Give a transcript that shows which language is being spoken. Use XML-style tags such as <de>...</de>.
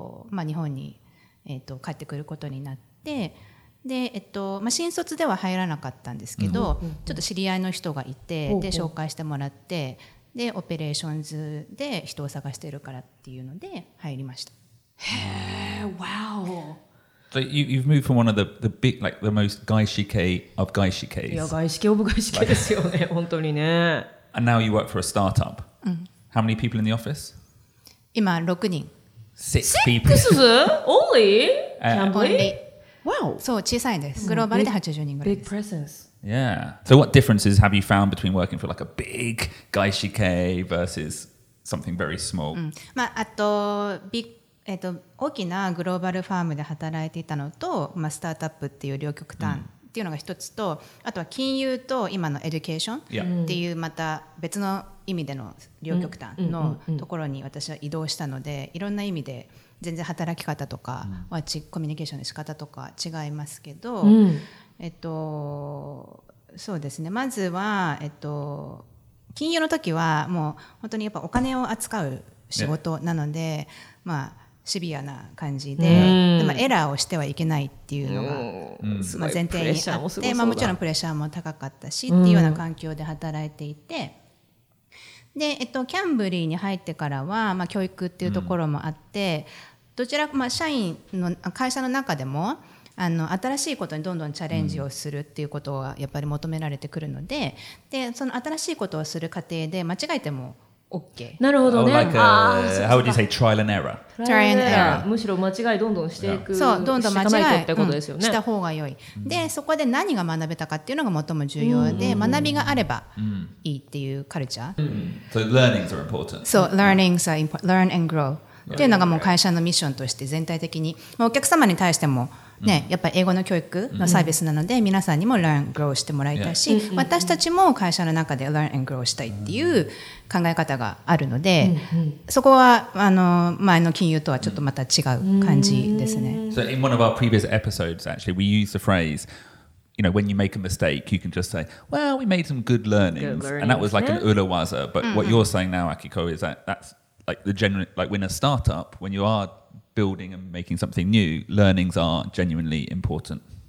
<ja>まあ、日本に、帰ってくることになって、で、まあ、新卒では入らなかったんですけど、ちょっと知り合いの人がいて、で紹介してもらって、でオペレーションズで人を探してるからっていうので入りました。へー、わー。</ja> <en>So you've moved from one of the big, like the most 外資系 of 外資系.</en> <ja>Yeah, 外資系 of 外資系ですよね、本当にね。</ja> <en>And now you work for a startup. How many people in the office?</en> <ja>今6人。</ja> <en>Six people. Six? Only? Only? Wow.</en> <ja>そう、小さいです。グローバルで80人ぐらいです。</ja> <en>Big presence. Yeah. So what differences have you found between working for like a big 外資系 versus something very small?</en> <ja>まあ、あと、big大きなグローバルファームで働いていたのと、まあ、スタートアップっていう両極端っていうのが一つと、あとは金融と今のエデュケーションっていうまた別の意味での両極端のところに私は移動したので、いろんな意味で全然働き方とかはコミュニケーションの仕方とか違いますけど、そうですね、まずは、金融の時はもう本当にやっぱお金を扱う仕事なので、まあシビアな感じで、でもエラーをしてはいけないっていうのが、まあ、前提にあって、まあもちろんプレッシャーも高かったしっていうような環境で働いていて、で、キャンブリーに入ってからは、まあ、教育っていうところもあって、どちらか、まあ、社員の会社の中でもあの新しいことにどんどんチャレンジをするっていうことはやっぱり求められてくるの で、 でその新しいことをする過程で間違えてもOK、なるほどね。</ja> <en>Like、how would you say trial and error? Trial and error。</en> <ja>むしろ間違いどんどんしていく、そう、どんどん間違いってことですよね。した方が良い。で、そこで何が学べたかっていうのが最も重要で、学びがあればいいっていうカルチャー。</ja> <en>So learnings are important. So learnings are important. Learn and grow。</en> <ja>っていうのがもう会社のミッションとして全体的に、まあ、お客様に対してもね、やっぱり英語の教育のサービスなので、皆さんにも learn grow してもらいたいし、私たちも会社の中で learn and grow したいっていう考え方があるので、そこはあの前の金融とはちょっとまた違う感じですね。</ja> <en>So in one of our previous episodes, actually, we used the phrase, you know, when you make a mistake, you can just say, well, we made some good learnings, good learning. And that was like an urawaza. But what you're saying now, Akiko, is that that's like the general, like when a startup, when you areBuilding and making something new, learnings are genuinely important.</en>